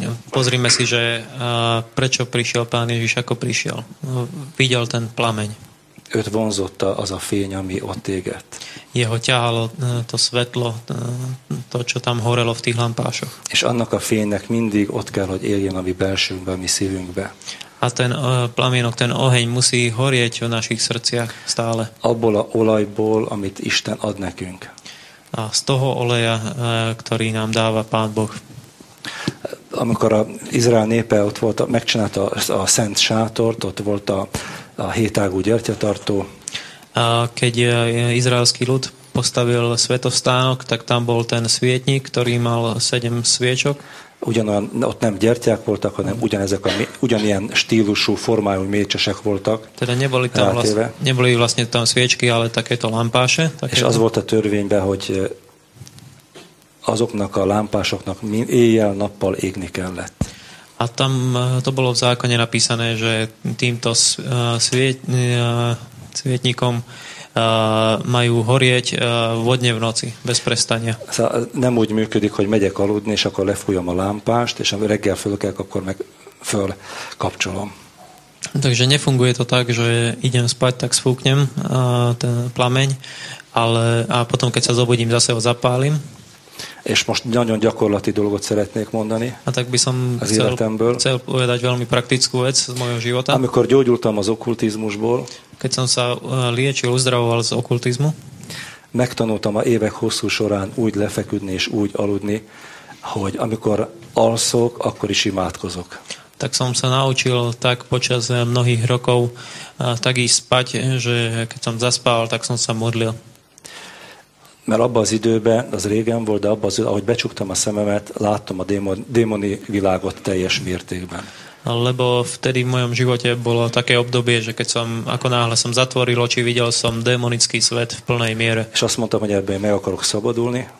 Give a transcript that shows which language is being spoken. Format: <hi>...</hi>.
<sk>Pozrime si, že prečo prišiel Pán Ježiš, ako prišiel. Videl ten plameň.</sk> <hu>Őt vonzotta az a fény, ami ott égett.</hu> <sk>Jeho ťahalo to svetlo, to, čo tam horelo v tých lampášoch.</sk> <hu>És annak a fénynek mindig ott kell, hogy éljen a mi belsőnkbe, a mi szívünkbe.</hu> <sk>A ten plamienok, ten oheň musí horieť v našich srdciach stále.</sk> <hu>Abból a olajból, amit Isten ad nekünk.</hu> <sk>A z toho oleja, ktorý nám dáva Pán Boh. A</sk> <hu>amikor az Izrael népe ott volt, megcsinálta a Szent Sátort, ott volt a hétágú gyertyatartó.</hu> <sk>Keď izraelský ľud postavil svetostánok, tak tam bol ten svietník, ktorý mal 7 sviečok.</sk> <hu>Ugyanolyan, ott nem gyertyák voltak, hanem ugyanezek a, ugyanilyen stílusú formájú mécsesek voltak.</hu> <sk>Teda neboli tam vlastne tam sviečky, ale takéto lámpáše.</sk> <hu>És az volt a törvényben, hogy azoknak a lámpásoknak éjjel-nappal égni kellett.</hu> <sk>A tam to bolo v zákone napísané, že týmto svietníkom majú horieť vodne v noci, bez prestania.</sk> <hu>Nem úgy működik, hogy megyek aludni, és akkor lefújom a lámpást, és amikor reggel fölkelek, akkor meg fölkapcsolom.</hu> <sk>Takže nefunguje to tak, že idem spať, tak sfúknem ten plameň, ale, a potom, keď sa zobudím, zase ho zapálim.</sk> <hu>És most nagyon gyakorlati dolgot szeretnék mondani.</hu> <sk>A tak by som az életemből. Chcel povedať veľmi praktickú vec z mojho života.</sk> <hu>Amikor gyógyultam az okkultizmusból.</hu> <sk>Keď som sa liečil, uzdravoval z okkultizmu.</sk> <hu>Megtanultam a évek hosszú során úgy lefeküdni és úgy aludni, hogy amikor alszok, akkor is imádkozok.</hu> <sk>Tak som sa naučil tak počas mnohých rokov tak ísť spať, že keď som zaspával, tak som sa modlil.</sk> <hu>Mert abban az időben, az régen volt, de abban az időben, ahogy becsuktam a szememet, láttam a démoni világot teljes mértékben.</hu> <sk>Lebo vtedy v mojom živote bolo také obdobie, že keď som, ako náhle som zatvoril oči, videl som démonický svet v plnej miere.</sk> <hu>És azt mondtam, hogy ebben meg akarok szabadulni.</hu>